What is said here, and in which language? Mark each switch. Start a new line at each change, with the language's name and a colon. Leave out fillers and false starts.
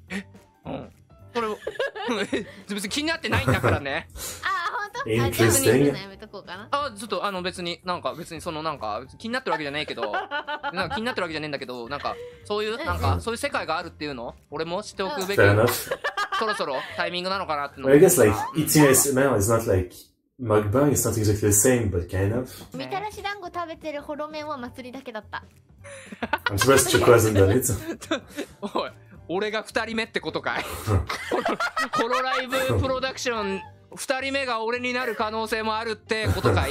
Japanese: えうん、これ別に気になってないんだからね。あー、ほんと？あ、ちょっと見るのやめとこうかな。あ、ちょっとあの別に、なんか別にそのなんか気になってるわけじゃないけどなんか気になってるわけじゃないんだけど、なんかそういう、なんかそういう世界があるっていうの俺も知っておくべき。そろそろタイミングなのかなっての
English: I guess like, eating ASMR is not likeMukbang is not exactly the same, but kind of.
Japanese: みたらし団子食べてるホロメンは祭りだけだった。
English: I'm surprised you wasn't done it.
Japanese: おい、俺が2人目ってことかい。ホロライブプロダクション2人目が俺になる可能性もあるってことかい。